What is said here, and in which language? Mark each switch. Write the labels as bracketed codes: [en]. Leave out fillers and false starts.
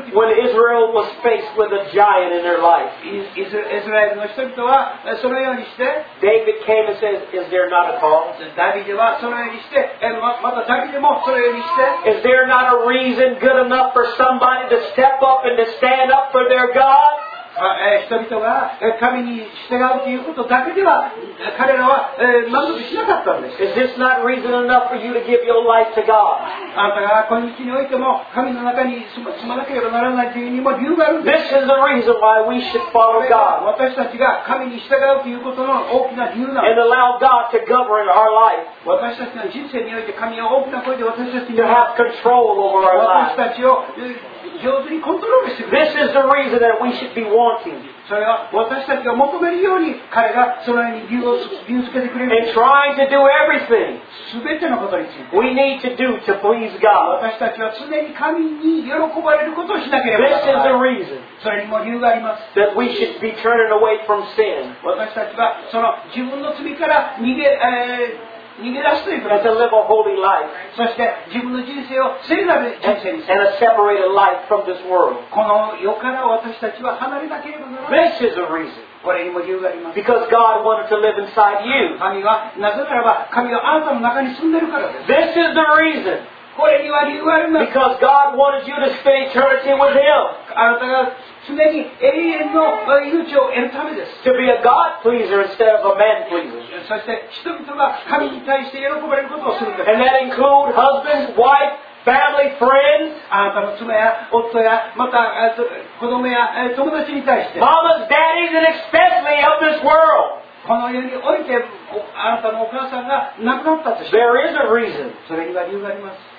[en] When Israel was faced with a giant in their life, David came and said, is there not a cause? Is there not a reason good enough for somebody to step up and to stand up for their God? [ja] 人々が神に従うということだけでは彼らは満足しなかったんです。 [en] Is this not reason enough for you to give your life to God? [ja] あなたが今日においても神の中に住まなければならないというにも理由があるんです。 [en] This is the reason why we should follow God. [ja] 私たちが神に従うということの大きな理由なんです。 [en] And allow God to govern our life. [ja] 私たちの人生において神は大きな声で私たちに [en] To have control over our life. [ja] 私たちを上手にコントロールしてくれる。 [en] This is the reason that we should be wanting. [ja] それは私たちが求めるように彼がそのように理由をつけてくれる。 [en] And trying to do everything. [ja] 全てのことについて。 [en] We need to do to please God. [ja] 私たちは常に神に喜ばれることをしなければならない。 [en] This is the reason. [ja] それにも理由があります。 [en] That we should be turning away from sin. [ja] 私たちはその自分の罪から逃げ出すということ。 [en] And to live a holy life. [ja] そして自分の人生を聖なる人生にする。 [en] And a separated life from this world. [ja] この世から私たちは離れなければならない。 [en] This is a reason. [ja] これにも理由があります。 [en] Because God wanted to live inside you. [ja] 神はなぜならば神はあなたの中に住んでるからです。 [en] This is the reason. [ja] これには理由があります。 [en] Because God wanted you to spend eternity with Him. [ja] あなたが常に永遠の命を得るためです。 [en] To be a God pleaser instead of a man pleaser. [ja] そして人々が神に対して喜ばれることをするんです。 [en] And that include husband, wife, family, friends. [ja] あなたの妻や夫やまた子供や友達に対して。 [en] Mamas, daddies, and especially of this world. [ja] この世においてあなたのお母さんが亡くなったとして。 [en] There is a reason. [ja] それには理由があります。